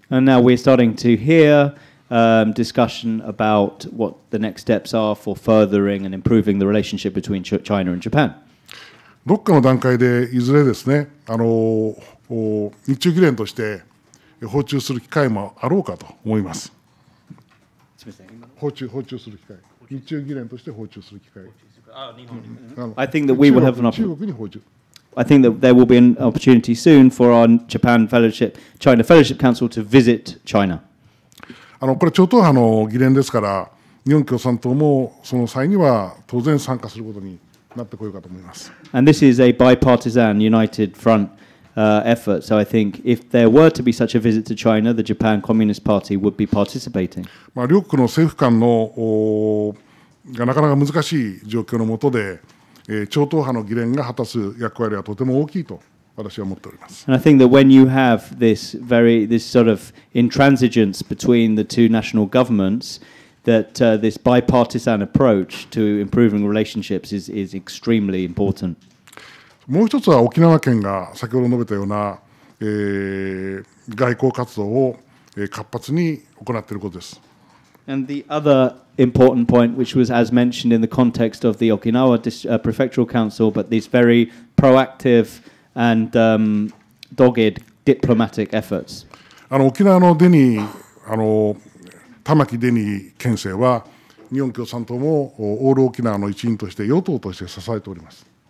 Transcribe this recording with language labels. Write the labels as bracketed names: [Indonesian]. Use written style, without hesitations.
[English] And now we're starting to hear discussion about what the next steps are for furthering and improving the relationship between China and Japan. [Japanese] どっかの段階でいずれですね、日中議連として訪中する機会もあろうかと思います。訪中する機会。日中議連として訪中する機会。 [English] I think that we will have an opportunity. I think that there will be an opportunity soon for our Japan Fellowship, China Fellowship Council to visit China. [Japanese] これは超党派の議連ですから、日本共産党もその際には当然参加することになってこようかと思います。 [English] And this is a bipartisan united front effort. So I think if there were to be such a visit to China, the Japan Communist Party would be participating. [Japanese] 両国の政府間のがなかなか難しい状況の下で、超党派の議連が果たす役割はとても大きいと私は思っております。 [English] And I think that when you have this sort of intransigence between the two national governments, that this bipartisan approach to improving relationships is extremely important. [Japanese] もう一つは沖縄県が先ほど述べたような、外交活動を活発に行っていることです。 [English] And the other important point, which was as mentioned in the context of the Okinawa Prefectural Council, but these very proactive and dogged diplomatic efforts. [Japanese] 沖縄のデニー、玉城デニー県政は、日本共産党もオール沖縄の一員として、与党として支えております。